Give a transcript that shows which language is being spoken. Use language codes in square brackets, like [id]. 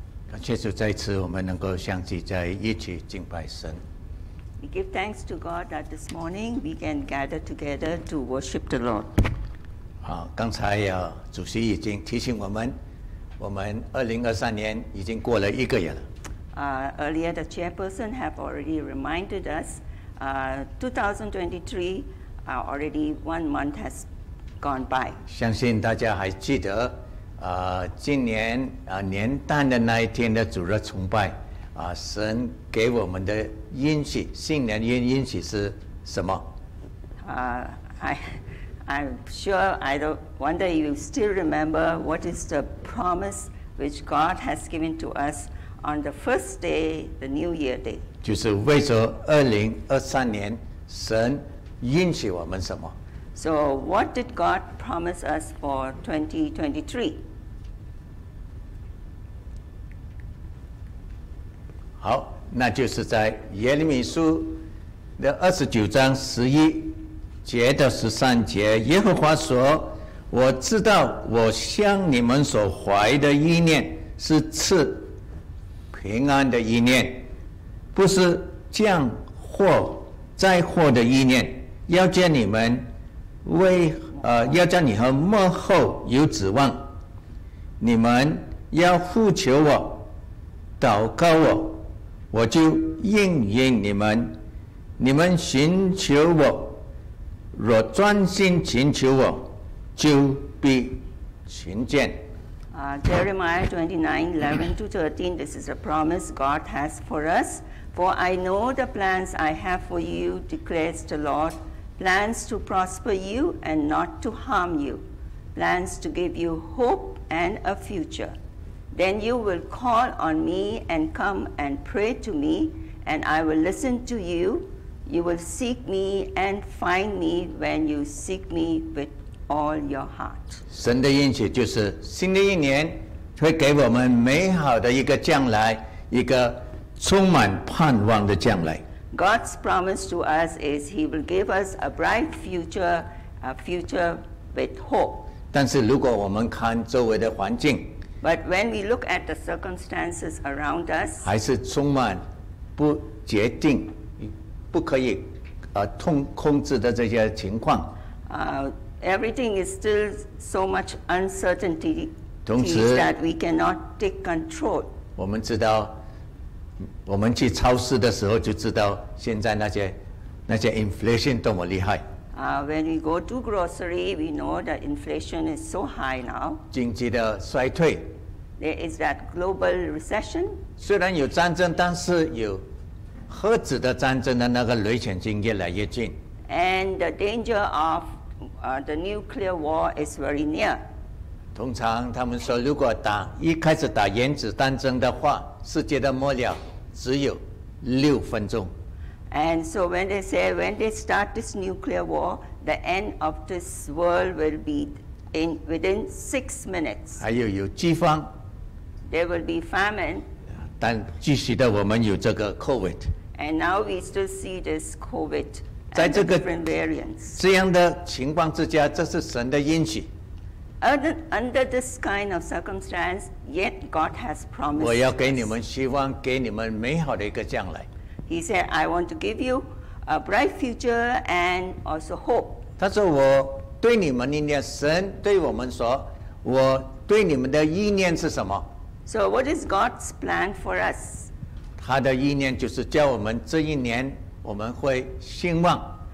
[zh] 感谢主，再次我们能够相聚在一起敬拜神。 [en] We give thanks to God that this morning we can gather together to worship the Lord. [zh] 好，刚才啊，主席已经提醒我们，我们2023年已经过了一个月了。 [en] Earlier the chairperson have already reminded us, 2023 already 1 month has gone by. [zh] 相信大家还记得，今年年旦的那一天的主日崇拜。神给我们的应许，新年的应许是什么？ [en] I'm sure I don't wonder if you still remember what is the promise which God has given to us on the first day, the New Year day. [zh] 就是为着2023年，神应许我们什么 [en] ？So what did God promise us for 2023? [zh] 好，那就是在耶利米书的29:11-13，耶和华说：“我知道我向你们所怀的意念是赐平安的意念，不是降祸灾祸的意念，要叫你们和幕后有指望。你们要呼求我，祷告我。” 我就应允你们，你们寻求我，若专心寻求我，就必寻见。 [en] Jeremiah 29:11-13, this is a promise God has for us. For I know the plans I have for you, declares the Lord, plans to prosper you and not to harm you, plans to give you hope and a future. Then you will call on me and come and pray to me, and I will listen to you. You will seek me and find me when you seek me with all your heart. [zh] 神的应许就是新的一年会给我们美好的一个将来，一个充满盼望的将来。 [en] God's promise to us is he will give us a bright future, a future with hope. [zh] 但是如果我们看周围的环境， [en] But when we look at the circumstances around us, [zh] 还是充满不决定、不可以控制的这些情况。 [en] Everything is still so much uncertainty, [zh] 同时 [en] that we cannot take control. [zh] 我们知道，我们去超市的时候就知道，现在那些 inflation 多么厉害。 [en] When we go to grocery, we know that inflation is so high now. [zh] 经济的衰退。 [en] There is that global recession. [zh] 虽然有战争，但是有核子的战争的那个危险性越来越近。 [en] And the danger of the nuclear war is very near. [zh] 通常他们说，如果一开始打原子战争的话，世界的末了只有6分钟。 [en] And so when they say, when they start this nuclear war, the end of this world will be in within 6 minutes. [zh] 还有饥荒。 [en] There will be famine. [zh] 但继续的我们有这个 COVID. [en] And now we still see this COVID and the different variants. [zh] 这样的情况之下，这是神的应许。 [en] Under this kind of circumstance, yet God has promised. [zh] 我要给你们希望，给你们美好的一个将来。 [en] He said, I want to give you a bright future and also hope. [zh] 他说我对你们的念，神对我们说，我对你们的意念是什么？ [en] So what is God's plan for us? [zh] 他的意念就是叫我们这一年我们会兴旺。